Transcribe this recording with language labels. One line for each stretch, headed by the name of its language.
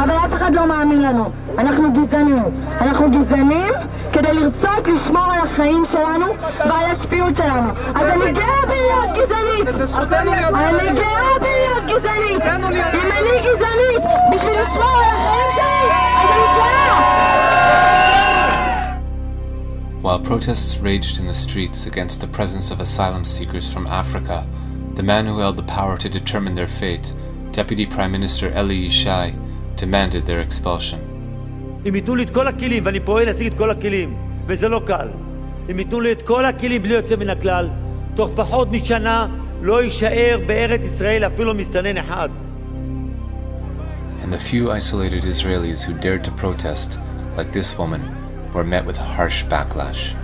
Hebrew: אבל אף אחד לא מאמין לנו. אנחנו גזענים. אנחנו גזענים כדי לרצות לשמור על החיים שלנו ועל השפיות שלנו. אז אני גאה בלהיות גזענית! אני גאה בלהיות גזענית! אם אני גזענית בשביל לשמור על החיים שלי, אני
English: While protests raged in the streets against the presence of asylum seekers from Africa, the man who held the power to determine their fate, Deputy Prime Minister Elie Ishai, demanded their expulsion.
Hebrew: אם יתנו לי את כל הכלים, ואני פועל להשיג את כל הכלים, וזה לא קל. אם יתנו לי את כל הכלים בלי יוצא מן הכלל, תוך פחות משנה לא יישאר בארץ ישראל אפילו מסתנן אחד.
English: And the few isolated Israelis who dared to protest, like this woman, were met with a harsh backlash.